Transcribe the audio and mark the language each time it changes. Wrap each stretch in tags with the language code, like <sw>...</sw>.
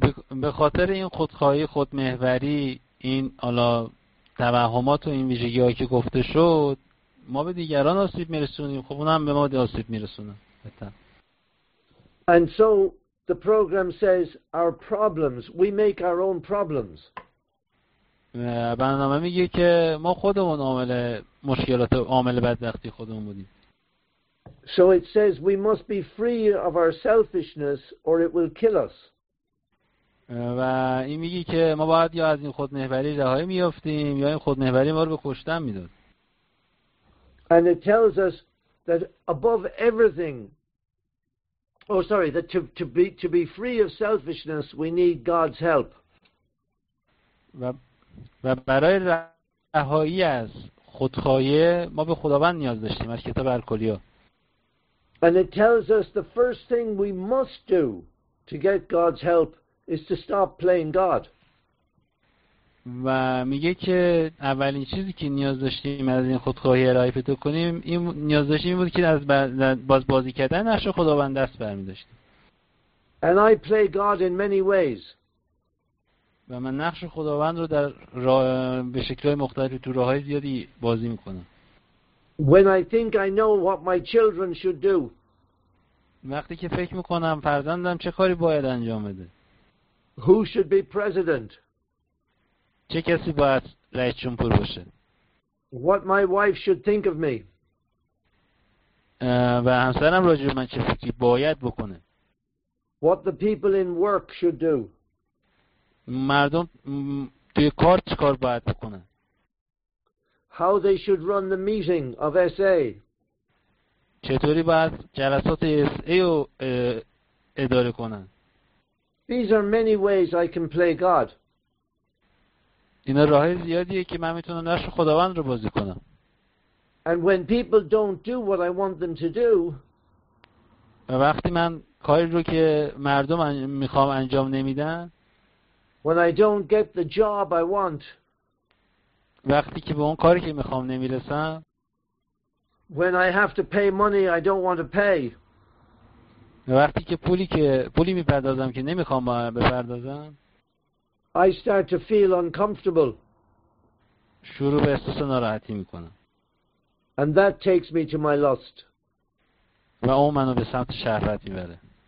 <fa>به خاطر این خودخواهی، خودمحوری، این حالا توهمات و این ویژگی هایی که گفته شد، ما به دیگران آسیب میرسونیم، خب اونم به ما آسیب میرسونه.</fa> <en>And so the program says our problems, we make our own problems.</en> <fa>برنامه میگه که ما خودمون عامل مشکلات، عامل بدبختی خودمون بودیم.</fa> <en>So it says we must be free of our selfishness or it will kill us.</en> <fa>و این میگه که ما باید یا از این خودمحوری رهایی میافتیم یا این خودمحوری ما رو به کشتن میداد.</fa> <en>And it tells us that above everything, that to be free of selfishness we need God's help.</en> <fa>و برای رهایی از خودخواهی ما به خداوند نیاز داشتیم، از کتاب الکلیا.</fa> <en>And it tells us the first thing we must do to get God's help is to stop playing God.</en> <fa>و میگه که اولین چیزی که نیاز داشتیم از این خودخواهی ارائه پیدا کنیم، این نیاز داشتیم بود که از باز بازی کردن نقش خداوند دست برمی‌داشتیم.</fa> <en>And I play God in many ways.</en> <fa>و من نقش خداوند رو در به شکل‌های مختلف تو راه‌های زیادی بازی می‌کنم.</fa> <en>When I think I know what my children should do.</en> <fa>وقتی که فکر می‌کنم فرزندم چه کاری باید انجام بده.</fa> <en>Who should be president?</en> <fa>چه کسی باید رئیس جمهور باشه؟</fa> <en>What my wife should think of me?</en> <fa>و همسرم راجع به من چه فکری باید بکنه؟</fa> <en>What the people in work should do?</en> <fa>مردم توی کار چه کار باید بکنه؟</fa> <en>How they should run the meeting of SA?</en> <fa>چطوری باید جلسات SA رو اداره کنن؟</fa> <en>These are many ways I can play God.</en> <fa>اینا راه‌های زیادیه که من میتونم نقش خداوند رو بازی کنم.</fa> <en>And when people don't do what I want them to do,</en> <fa>وقتی من کاری رو که مردم میخوام انجام نمیدن،</fa> <en>when I don't get the job I want,</en> <fa>وقتی که به اون کاری که میخوام نمیرسم،</fa> <en>when I have to pay money I don't want to pay,</en> <fa>وقتی که پولی میپردازم که نمیخوام بپردازم،</fa> <en>I start to feel uncomfortable.</en> <fa>شروع به احساس ناراحتی میکنم.</fa> <en>And that takes me to my lust.</en> <fa>و اون منو به سمت شهوت میبره.</fa>